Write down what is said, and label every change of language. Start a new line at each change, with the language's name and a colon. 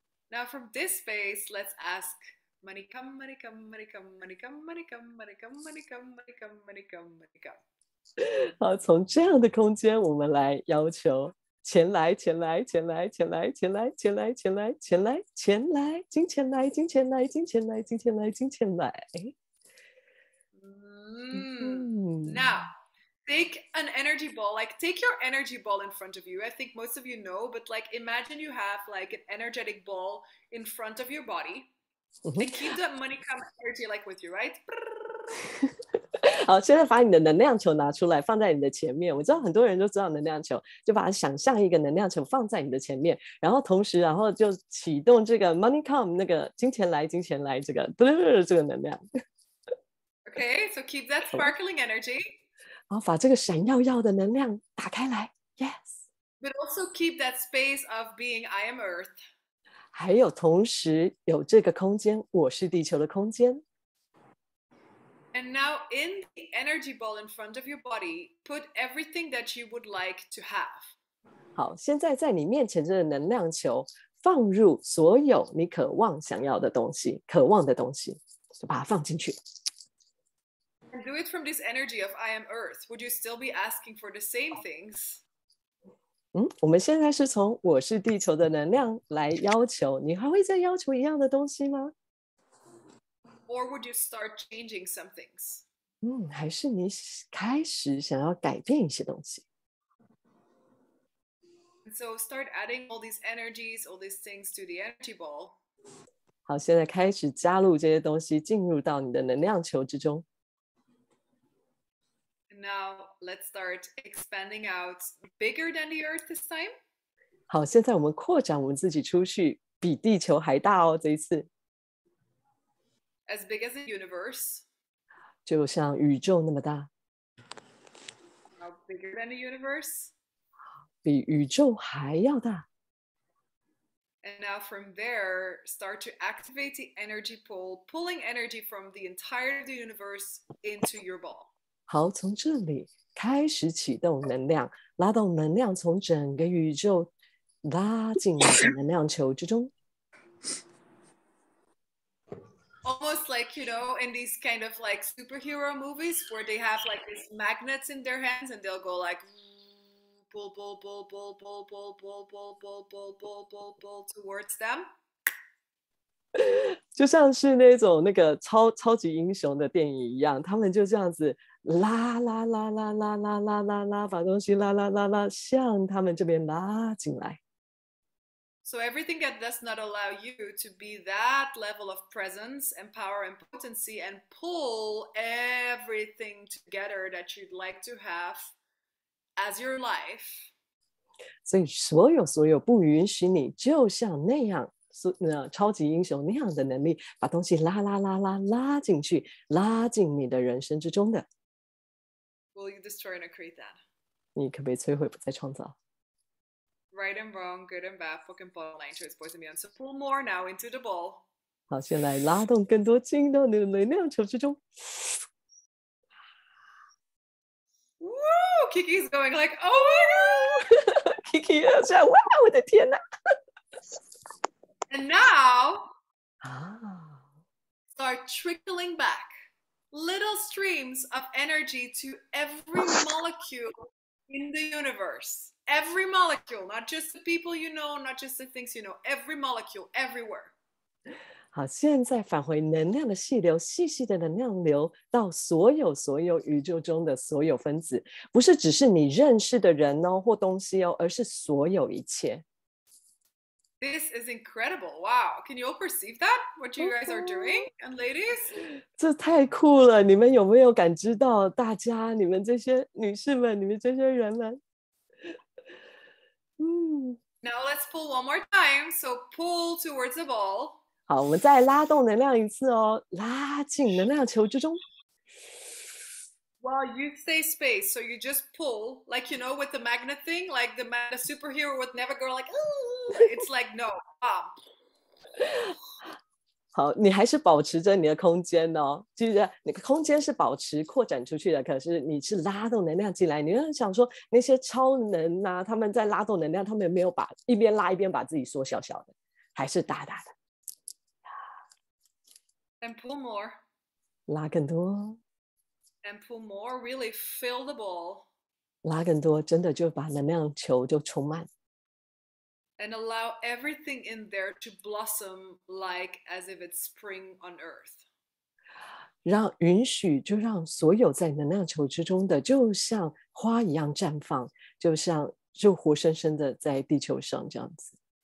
English: Now from this space, let's ask, money come, money come, money come, money come, money come, money come, money come, money come, money come, money come.
Chinese: 好，从这样的空间我们来要求钱来钱来钱来钱来钱来钱来钱来钱来钱来金钱来金钱来金钱来金钱来金钱来。
English: Now, take an energy ball, like take your energy ball in front of you. I think most of you know, but like imagine you have like an energetic ball in front of your body. And keep that money come energy like with you, right?
Chinese: 好，现在把你的能量球拿出来放在你的前面。我知道很多人都知道能量球，就把它想象一个能量球放在你的前面，然后同时然后就启动这个
English: money come
Chinese: 那个金钱来金钱来这个这个能量。
English: Okay, so keep that sparkling energy.
Chinese: 然后把这个闪耀耀的能量打开来。
English: Yes. But also keep that space of being I am earth.
Chinese: 还有同时有这个空间，我是地球的空间。
English: And now in the energy ball in front of your body, put everything that you would like to have.
Chinese: 好，现在在你面前这个能量球，放入所有你渴望想要的东西，渴望的东西，就把它放进去。
English: And do it from this energy of I am Earth. Would you still be asking for the same things?
Chinese: 我们现在是从我是地球的能量来要求，你还会再要求一样的东西吗？
English: Or would you start changing some things?
Chinese: 还是你开始想要改变一些东西。
English: So start adding all these energies, all these things to the energy ball.
Chinese: 好，现在开始加入这些东西，进入到你的能量球之中。
English: And now let's start expanding out bigger than the earth this time.
Chinese: 好，现在我们扩展我们自己出去，比地球还大哦，这一次。
English: As big as the universe.
Chinese: 就像宇宙那么大。
English: How bigger than the universe?
Chinese: 比宇宙还要大。
English: And now from there, start to activate the energy pole, pulling energy from the entire of the universe into your ball.
Chinese: 好，从这里开始启动能量，拉动能量从整个宇宙拉进能量球之中。
English: Almost like, you know, in these kind of like superhero movies where they have like these magnets in their hands and they'll go like pull, pull, pull, pull, pull, pull, pull, pull, pull, pull, pull, pull, pull towards them.
Chinese: 就像是那种那个超级英雄的电影一样，他们就这样子拉拉拉拉拉拉拉拉拉，把东西拉拉拉拉向他们这边拉进来。
English: So everything that does not allow you to be that level of presence and power and potency and pull everything together that you'd like to have as your life.
Chinese: 所以所有不允许你就像那样超级英雄那样的能力把东西拉拉拉拉拉进去，拉进你的人生之中的。
English: Will you destroy and create that?
Chinese: 你可不可以摧毁不再创造？
English: Right and wrong, good and bad, fucking bottom line, choice, boys and beyond. So pull more now into the ball.
Chinese: 好，先来拉动更多进到你的能量球之中。
English: Woo! Kiki's going like, oh my god!
Chinese: Kiki 要这样，哇，我的天哪！
English: And now, start trickling back little streams of energy to every molecule in the universe. Every molecule, not just the people you know, not just the things you know, every molecule, everywhere.
Chinese: 好，现在返回能量的细流，细细的能量流到所有宇宙中的所有分子，不是只是你认识的人哦，或东西哦，而是所有一切。
English: This is incredible. Wow. Can you all perceive that? What you guys are doing? And ladies?
Chinese: 这太酷了，你们有没有感知到大家，你们这些女士们，你们这些人们？
English: Now let's pull one more time. So pull towards the ball.
Chinese: 好，我们再拉动能量一次哦，拉进能量球之中。
English: Well, you stay space, so you just pull, like you know, with the magnet thing, like the man, the superhero would never go like, ooh. It's like no,
Chinese: 好，你还是保持着你的空间哦，就是你的空间是保持扩展出去的，可是你是拉动能量进来。你要想说那些超能啊，他们在拉动能量，他们没有把一边拉一边把自己缩小小的，还是大大的。
English: And pull more.
Chinese: 拉更多。
English: And pull more, really fill the ball.
Chinese: 拉更多，真的就把能量球就充满。
English: And allow everything in there to blossom like as if it's spring on earth.
Chinese: 让允许就让所有在能量球之中的就像花一样绽放，就像就活生生的在地球上这样子。